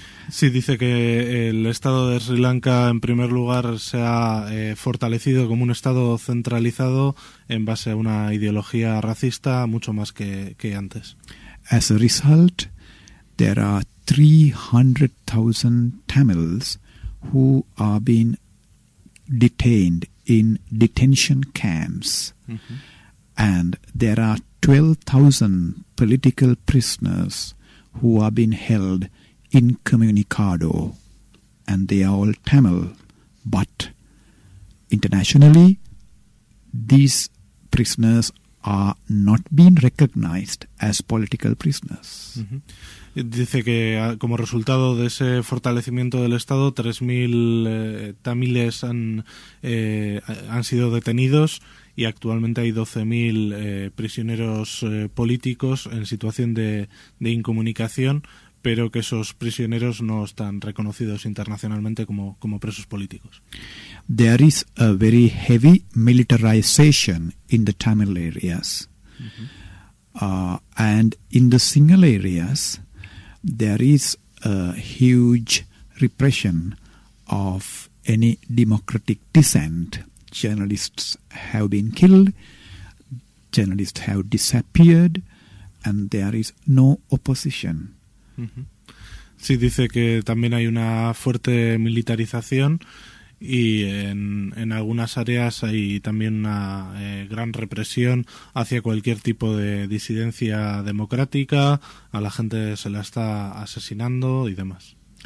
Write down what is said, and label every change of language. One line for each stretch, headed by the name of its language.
Spanish: Sí, dice que el estado de Sri Lanka en primer lugar se ha fortalecido como un estado centralizado en base a una ideología racista mucho más que antes.
English: As a result, there are 300,000 Tamils who are being detained in detention camps. And there are 12,000 political prisoners who are being held incommunicado, and they are all Tamil. But internationally, these prisoners are not being recognized as political prisoners.
Spanish: Dice que como resultado de ese fortalecimiento del Estado, 3,000 tamiles han sido detenidos y actualmente hay 12,000 prisioneros políticos en situación de incomunicación, pero que esos prisioneros no están reconocidos internacionalmente como presos políticos.
English: There is a very heavy militarization in the Tamil areas. And in the Sinhal areas, there is a huge repression of any democratic dissent. Journalists have been killed, journalists have disappeared, and there is no opposition.
Spanish: Sí, dice que también hay una fuerte militarización y en algunas áreas hay también una gran represión hacia cualquier tipo de disidencia democrática, a la gente se la está asesinando y demás.